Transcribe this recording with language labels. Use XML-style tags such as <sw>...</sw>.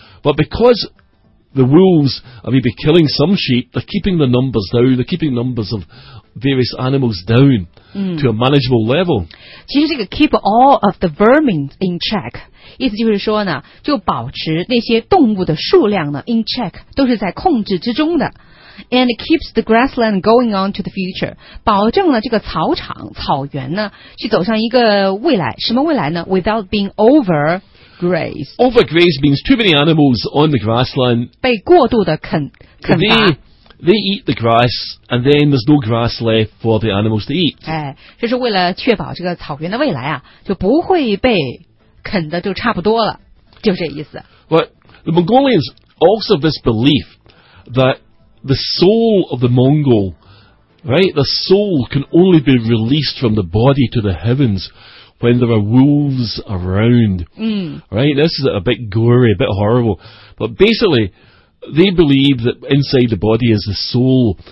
<en>But because the wolves are maybe killing some sheep, they're keeping the numbers down, they're keeping numbers of various animals down to a manageable level.</en> <zh>其实这个</zh> <en>keep all of the vermin in check,</en> <zh>意思就是说呢，就保持那些动物的数量呢</zh> <en>in check,</en> <zh>都是在控制之中的。</zh> <en>And it keeps the grassland going on to the future.</en> <zh>保证了这个草场、草原呢，去走上一个未来。什么未来呢 ？</zh> <en>Without being overgrazed. Overgrazed means too many animals on the grassland.</en> <zh>被过度的啃伐。</zh> <en>They eat the grass, and then there's no grass left for the animals to eat.</en> <zh>哎，这是为了确保这个草原的未来啊，就不会被啃的就差不多了，就这意思。</zh> <en>But the Mongolians also have this belief that. The soul of the Mongol, right? The soul can only be released from the body to the heavens when there are wolves around. Right? This is a bit gory, a bit horrible. But basically, they believe that inside the body is the soul.</en>